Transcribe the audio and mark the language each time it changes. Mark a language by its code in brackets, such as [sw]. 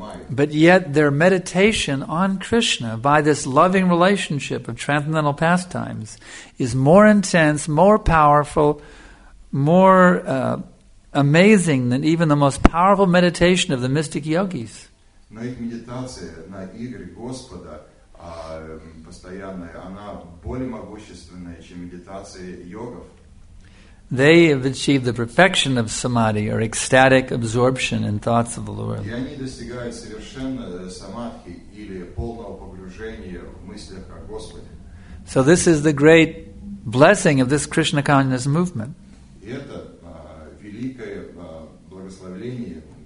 [en] But yet their meditation on Krishna by this loving relationship of transcendental pastimes is more intense, more powerful, more amazing than even the most powerful meditation of the mystic yogis. [ru] Но их медитация на игры Господа постоянная, она более могущественная, чем медитация йогов. [en] They have achieved the perfection of samadhi, or ecstatic absorption in thoughts of the Lord. [ru] И они достигают совершенно самадхи, или полного погружения в мыслях о Господе. [en] So this is the great blessing of this Krishna consciousness movement. [ru] И это великое благословение.